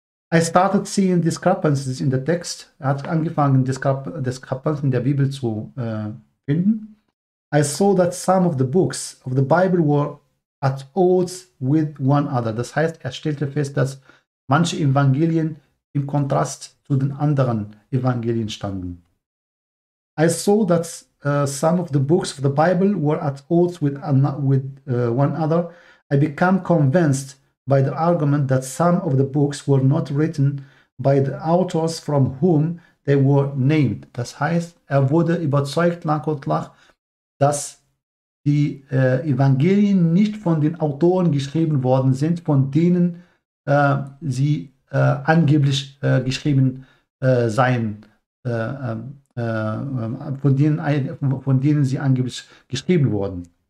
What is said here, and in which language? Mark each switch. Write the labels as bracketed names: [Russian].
[English] I started seeing discrepancies in the text. [German] Er hat angefangen, Diskrepanzen in der Bibel zu finden. [English] I saw that some of the books of the Bible were at odds with one another. [German] Das heißt, er stellte fest, dass manche Evangelien im Kontrast zu den anderen Evangelien standen. [English] I saw that some of the books of the Bible were at odds one another. I became convinced by the argument that some of the books were not written by the authors from whom they were named. [German] Das heißt, er wurde überzeugt, lang und lach, dass die Evangelien nicht von den Autoren geschrieben worden sind, von denen sie angeblich geschrieben seien, von denen sie angeblich geschrieben wurden.